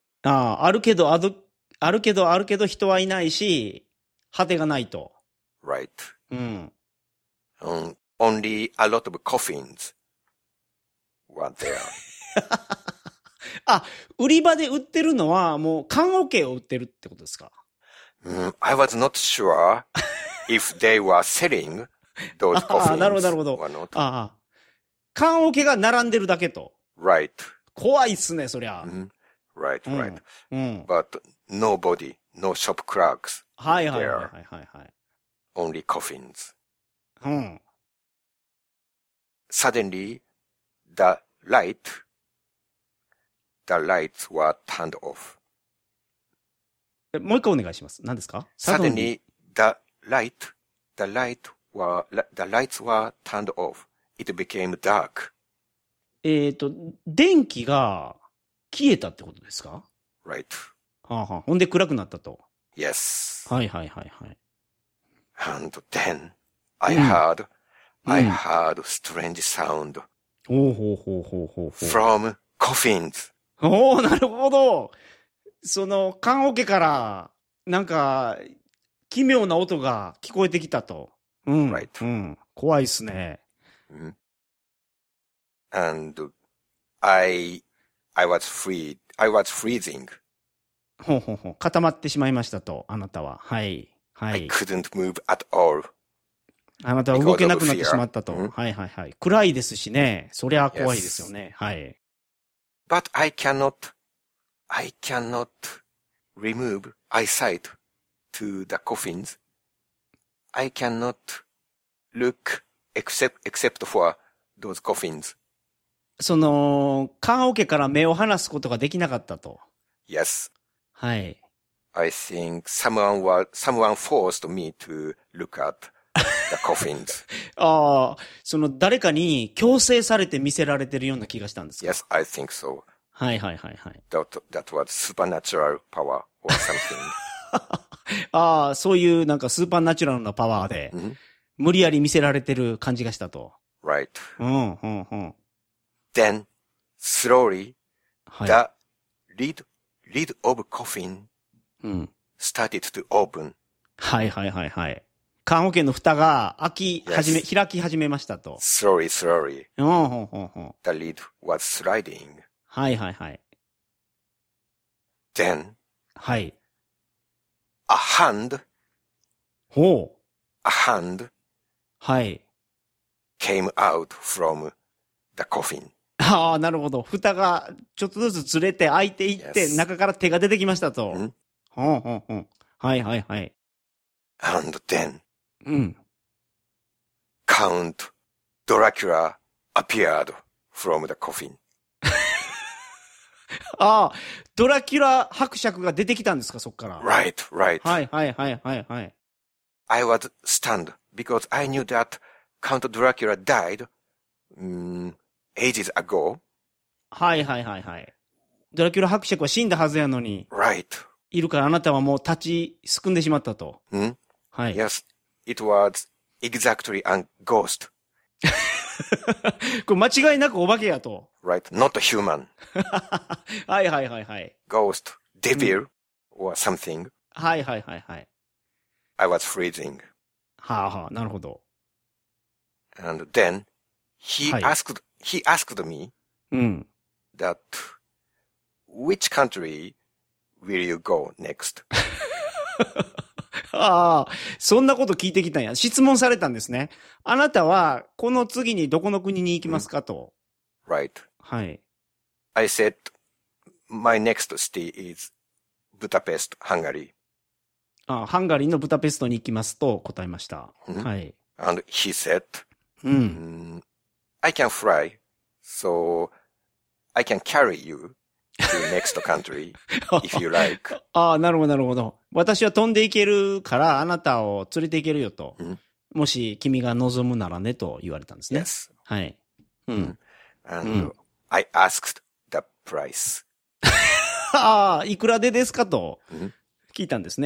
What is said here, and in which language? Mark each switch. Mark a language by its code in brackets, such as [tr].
[ja] ああ、あるけど人はいないし、果てがないと。 [en] Right. [ja] うん。 [en] Only a lot of coffins were there. [ja] あ、売り場で売ってるのはもう棺桶を売ってるってことですか? [en] I was not sure if they were selling those coffins. [ja] ああ、なるほど、なるほど。ああ。棺桶が並んでるだけと。 [en] Right. [ja] 怖いっすね、そりゃ。 [en] Mm-hmm. Right, right.、 [ja] うん、 [en] But nobody, no shop clerks. [ja] はいはいはいはいはい。 [en] Only coffins. [ja] うん。 [en] Suddenly, the light,The lights were turned off. [ja] もう一回お願いします。何ですか? [en] Suddenly, the lights were turned off. It became dark. [ja] 電気が消えたってことですか? [en] Right. [ja] はあはあ。ほんで暗くなったと。 [en] Yes. [ja] はいはいはいはい。 [en] And then, I heard strange sound. [ja] ほうほうほうほうほう。 From coffins. おー、なるほど。その、棺桶から、なんか、奇妙な音が聞こえてきたと。うん。Right. うん。怖いっすね。 [en] And I was freezing. [ja] ほうほうほう。固まってしまいましたと、あなたは。はい。はい。 [en] I couldn't move at all. [ja] あなたは動けなくなってしまったと。はいはいはい。暗いですしね。そりゃ怖いですよね。Yes. はい。 [en] But I cannot remove eyesight to the coffins. I cannot look except for those coffins. [ja] その、棺桶から目を離すことができなかったと。 [en] Yes. [ja] はい。 [en] I think someone forced me to look at the coffins. [ja] ああ、その誰かに強制されて見せられてるような気がしたんですか? [en] Yes, I think so. [ja] はいはいはいはい。 [en] That was supernatural power or something. [ja] ああ、そういうなんかスーパーナチュラルなパワーで、無理やり見せられてる感じがしたと。 [en] Right. [ja] うん、うん、うん。 [en] Then, slowly,、はい、the lid of coffin started to open. [ja] はいはいはいはい。棺桶の蓋が開き始めましたと。 [en] Slowly.、 [ja] うん、うん、うん。 [en] The lid was sliding. [ja] はいはいはい。 [en] Then,、 [ja] はい、 [en] a hand. [ja] ほう。 [en] A hand. [ja] はい。 [en] came out from the coffin. [ja] ああ、なるほど。蓋がちょっとずつずれて開いていって、中から手が出てきましたと。うん。うん、うん、うん。はい、はい、はい。 [en] And then. [ja] うん。 [en] Count Dracula appeared from the coffin. [ja] ああ、ドラキュラ伯爵が出てきたんですか、そっから。 [en] Right, right. [ja] はい、はい、はい、はい、はい。 [en] I was stunned because I knew that Count Dracula died. Ages ago. [ja] はいはいはいはい。ドラキュラ伯爵は死んだはずやのに。 [en] Right. [ja] いるからあなたはもう立ちすくんでしまったと。ん? はい。 [en] Yes. It was exactly a ghost. [ja] これ間違いなくお化けやと。 [en] Right. Not a human. [ja] はいはいはいはい。 [en] Ghost. Devil. Or something. [ja] はいはいはいはい。 [en] I was freezing. [ja] はあはあ、なるほど。 [en] And then, he asked me、 [ja] うん、 [en] that which country will you go next? [ja] ああ、そんなこと聞いてきたんや。質問されたんですね。あなたはこの次にどこの国に行きますかと。 [en] Right. [ja] はい。 [en] I said my next city is Budapest, Hungary. [ja] ああ、ハンガリーのブダペストに行きますと答えました。はい。 [en] And he said,、 [ja] うん、 [en] I can fly. So, I can carry you to next country if you like. [ja] ああ、なるほど、なるほど。私は飛んでいけるから、あなたを連れていけるよと。もし君が望むならねと言われたんですね。 [en] Yes. [ja] はい。 [en] And I asked the price. [ja] ああ、いくらでですかと聞いたんですね。